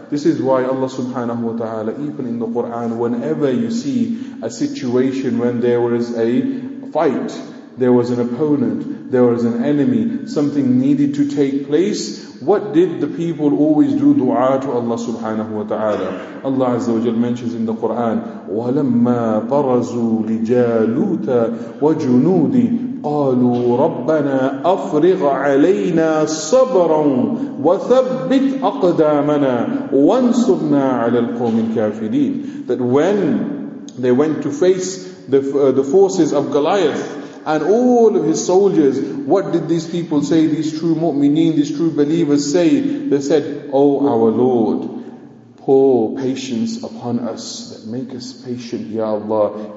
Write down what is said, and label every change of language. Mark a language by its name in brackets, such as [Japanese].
[English] This is why Allah subhanahu wa ta'ala, even in the Quran, whenever you see a situation when there was a fight, there was an opponent, there was an enemy, something needed to take place, what did the people always do? Dua to Allah subhanahu wa ta'ala. [Arabic] Allah azza wa jal [English] mentions in the Quran, [Arabic] وَلَمَّا بَرَزُوا لِجَالُوتَ وَجُنُودِ قَالُوا رَبَّنَا أَفْرِغْ عَلَيْنَا صَبْرًا وَثَبِّتْ أَقْدَامَنَا وَانْصُرْنَا عَلَى الْقَوْمِ الْكَافِرِينَ. [English] That when they went to face the forces of Goliath and all of his soldiers, what did these people say, these true mu'mineen, these true believers say? They said, oh our Lord, pour patience upon us, that make us patient, Ya Allah.